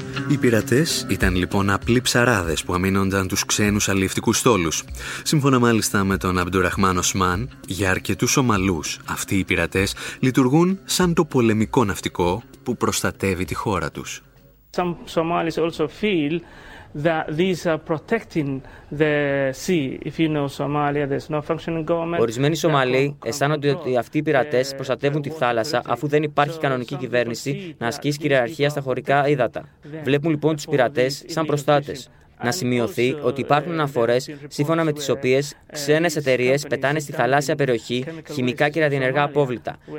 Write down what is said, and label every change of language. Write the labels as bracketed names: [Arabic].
[Greek] Οι πειρατές ήταν λοιπόν απλοί ψαράδες που αμήνονταν τους ξένους αλλιευτικούς στόλους. Σύμφωνα μάλιστα με τον Αμπντουραχμάν Οσμάν, για αρκετούς Σομαλούς αυτοί οι πειρατές λειτουργούν σαν το πολεμικό ναυτικό που προστατεύει τη χώρα τους. [English] Some Somalis also feel that these are protecting the sea. If you know Somalia, there's no functioning government. [Greek] Ορισμένοι Σομαλοί αισθάνονται ότι αυτοί οι πειρατές προστατεύουν τη θάλασσα, αφού δεν υπάρχει κανονική κυβέρνηση να ασκήσει κυριαρχία στα χωρικά ύδατα. Βλέπουν λοιπόν τους πειρατές σαν προστάτες. Να σημειωθεί ότι υπάρχουν αναφορές σύμφωνα με τις οποίες ξένες εταιρείες πετάνε στη θαλάσσια περιοχή χημικά και ραδιενεργά απόβλητα.